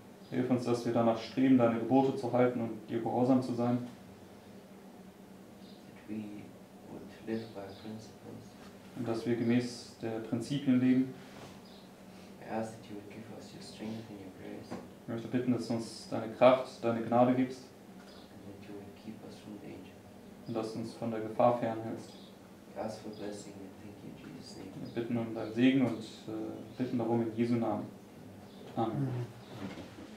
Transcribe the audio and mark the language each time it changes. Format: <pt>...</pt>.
<de>Hilf uns, dass wir danach streben, deine Gebote zu halten und dir gehorsam zu sein.</de> <en>That we would live by principles.</en> <de>Und dass wir gemäß der Prinzipien leben. Ich möchte bitten, dass du uns deine Kraft, deine Gnade gibst.</de> <en>And that you would keep us from danger.</en> <de>Und dass du uns von der Gefahr fernhältst.</de> <en>Ask for blessing and thank you in Jesus' name.</en> <de>Wir bitten um deinen Segen und bitten darum in Jesu Namen. Amen.</de>